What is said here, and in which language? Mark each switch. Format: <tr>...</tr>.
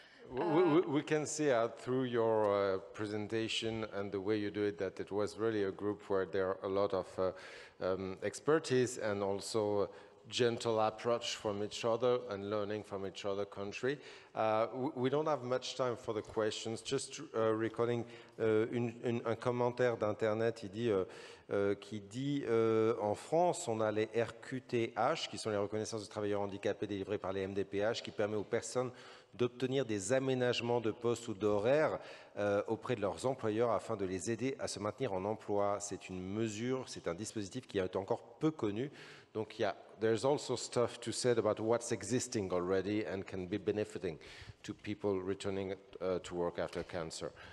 <en>We can see through your presentation and the way you do it that it was really a group where there are a lot of expertise and also gentle approach from each other and learning from each other country. We don't have much time for the questions. Just recording</en> <fr>un commentaire d'internet, il dit en France, on a les RQTH, qui sont les reconnaissances de travailleurs handicapés délivrées par les MDPH, qui permet aux personnes d'obtenir des aménagements de poste ou d'horaire auprès de leurs employeurs afin de les aider à se maintenir en emploi. C'est une mesure, c'est un dispositif qui est encore peu connu. Donc,</fr> <en>yeah, there's also stuff to say about what's existing already and can be benefiting to people returning to work after cancer.</en>